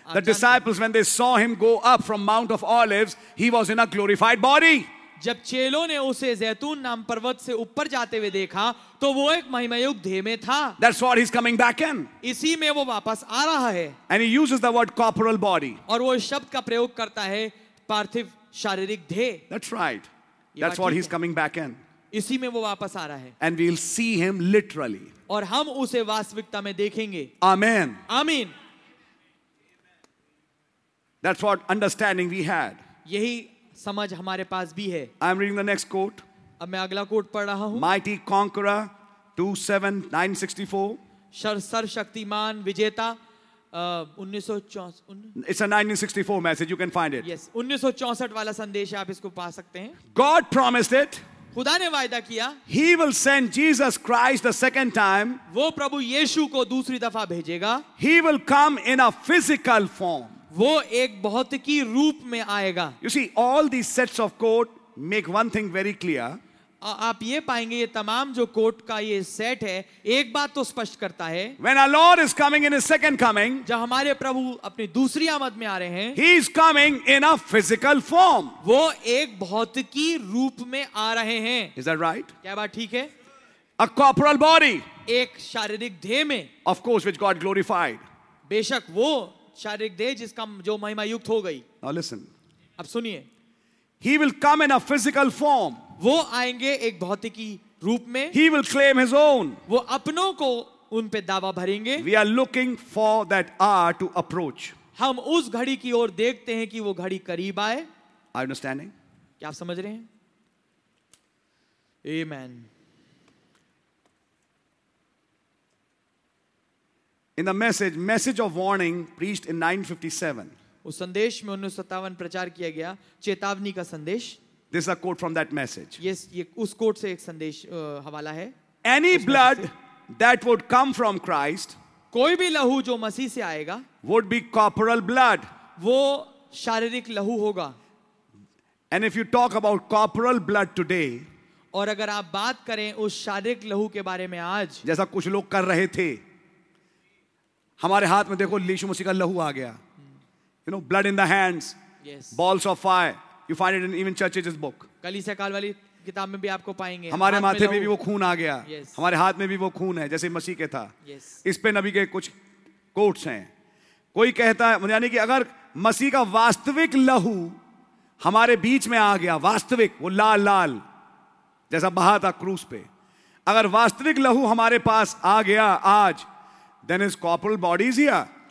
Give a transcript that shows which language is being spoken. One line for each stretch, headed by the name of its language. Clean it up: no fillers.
English: The disciples, when they saw him go up from Mount of Olives, he was in a glorified body.
Hindi: जब चेलों ने उसे जैतून नाम पर्वत से ऊपर जाते हुए देखा तो वो एक महिमायुक्त देह में था.
English: That's what he's coming back in.
Hindi: इसी में वो वापस आ रहा है.
English: And he uses the word corporal body.
Hindi: और वो शब्द का प्रयोग करता है पार्थिव शारीरिक देह.
English: That's right. That's what he's coming back in.
Hindi: इसी में वो वापस आ रहा है.
English: And we'll see him literally.
Hindi: और हम उसे वास्तविकता में देखेंगे.
English: Amen. Amen. That's what understanding we had.
Hindi: यही समझ हमारे पास भी है.
English: I'm reading the next quote.
Hindi: अब मैं अगला quote पढ़ रहा हूँ.
English: Mighty Conqueror 27964.
Hindi: सर्वशक्तिमान विजेता 1964.
English: It's a 1964 message. You can find it. Yes.
Hindi: 1964 वाला संदेश आप इसको पा सकते हैं.
English: God promised it.
Hindi: खुदा ने वायदा किया.
English: He will send Jesus Christ the second time.
Hindi: वो प्रभु यीशु को दूसरी दफा भेजेगा.
English: He will come in a physical form.
Hindi: वो एक भौतिकी रूप में आएगा.
English: You see, all these sets of quote make one thing very clear.
Hindi: आप ये पाएंगे ये तमाम जो कोट का ये सेट है एक बात तो स्पष्ट करता है.
English: When our Lord is coming in his second coming.
Hindi: जब हमारे प्रभु अपनी दूसरी आमद में आ रहे हैं.
English: He is coming in a physical form.
Hindi: वो एक भौतिकी रूप में आ रहे हैं.
English: Is that right?
Hindi: क्या बात ठीक है?
English: A corporal body.
Hindi: एक शारीरिक देह में.
English: Of course, which got glorified.
Hindi: बेशक वो शारीरिक देह जिसका जो महिमा युक्त हो गई.
English: Now listen.
Hindi: अब सुनिए.
English: He will come in a physical form.
Hindi: वो आएंगे एक भौतिकी रूप में.
English: He will claim his own.
Hindi: वो अपनों को उन पे दावा भरेंगे.
English: We are looking for that hour to approach.
Hindi: हम उस घड़ी की ओर देखते हैं कि वो घड़ी करीब आए.
English: Are you understanding?
Hindi: क्या आप समझ रहे हैं?
English: Amen. In the message of warning preached in 957.
Hindi: उस संदेश में 1957 प्रचार किया गया चेतावनी का संदेश.
English: This is a quote from that message.
Hindi: Yes, ये उस quote से एक संदेश हवाला है.
English: Any blood that would come from Christ,
Hindi: कोई भी लहू जो मसीह से आएगा,
English: would be corporal blood.
Hindi: वो शारीरिक लहू होगा.
English: And if you talk about corporal blood today,
Hindi: और अगर आप बात करें उस शारीरिक लहू के बारे में आज, जैसा कुछ लोग कर रहे थे, हमारे हाथ में देखो यीशु मसीह का लहू आ गया.
English: You know, blood in the hands. Yes. Balls of fire. You find it in even Churchill's book.
Hindi: कलीसिया काल वाली किताब में भी आपको पाएंगे. हमारे माथे में भी वो खून आ गया.
English: Yes.
Hindi: हमारे हाथ में भी वो खून है जैसे मसीह के था.
English: Yes.
Hindi: इस पे नबी के कुछ कोट्स हैं. कोई कहता है यानी कि अगर मसीह का वास्तविक लहू हमारे बीच में आ गया, वास्तविक वो लाल लाल जैसा बहा था क्रूस पे, अगर वास्तविक लहू हमारे पास आ गया आज,
English: then is corporal bodies here,